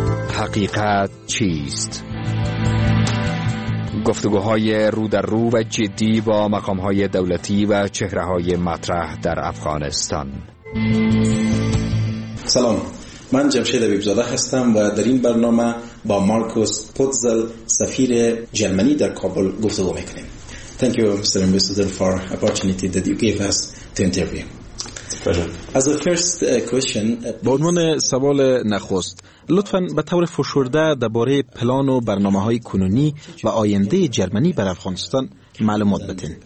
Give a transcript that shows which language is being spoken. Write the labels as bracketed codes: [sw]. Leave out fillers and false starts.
[fa] حقیقت چیست؟ گفتگوهای رو در رو و جدی با مقامهای دولتی و چهرههای مطرح در افغانستان. سلام، من جمشید بیبزاده هستم و در این برنامه با مارکوس پوتزل سفیر جرمنی در کابل گفتگو میکنیم. [en] Thank you, Mr. Ambassador, for the opportunity that you gave us to interview. Pleasure. As a first question, [fa] با عنوان سوال نخست، لطفاً به طور فشرده درباره پلان و برنامه های کنونی و آینده جرمنی بر افغانستان معلومات بدین.